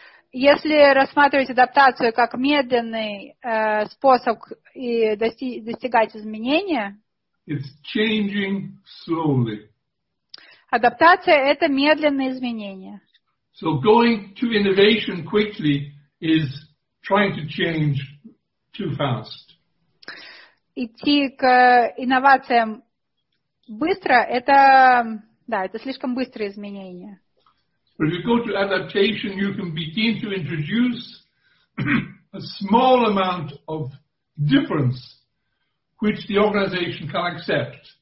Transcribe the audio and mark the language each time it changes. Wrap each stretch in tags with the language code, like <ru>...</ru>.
<ru>Если рассматривать адаптацию как медленный способ и достигать изменения,</ru> <en>it's changing slowly.</en> <ru>Адаптация – это медленные изменения.</ru> <en>So going to innovation quickly is trying to change too fast.</en> <ru>Идти к инновациям быстро – это, да, это слишком быстрые изменения.</ru> <en>But if you go to adaptation, you can begin to introduce a small amount of difference, which the organization can accept.</en>